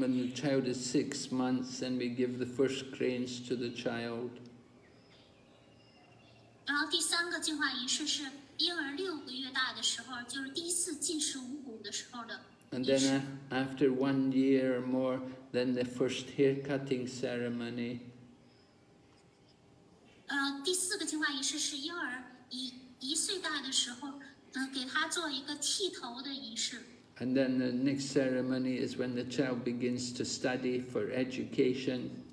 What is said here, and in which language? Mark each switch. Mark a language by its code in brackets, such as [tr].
[en] when the child is 6 months, then we give the first grains to the child. [zh] 然后第三个净化仪式是婴儿6个月大的时候，就是第一次进食五谷的时候的。And [en] then after 1 year or more, then the first haircutting ceremony. [zh] 第四个净化仪式是婴儿一岁大的时候。 [en] And then the next ceremony is when the child begins to study for education.